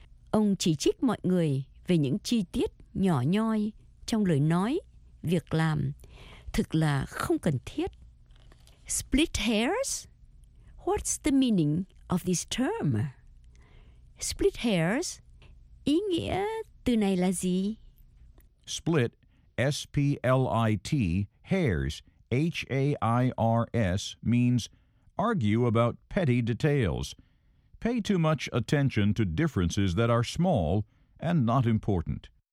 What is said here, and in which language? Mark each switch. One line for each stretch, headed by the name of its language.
Vietnamese: Ông chỉ trích mọi người về những chi tiết nhỏ nhoi trong lời nói, việc làm. Thực là không cần thiết. Split hairs?
English: What's the meaning of this term?
Vietnamese: Split hairs, ý nghĩa từ này là gì?
English: Split, S-P-L-I-T, hairs, H-A-I-R-S, means argue about petty details. Pay too much attention to differences that are small and not important.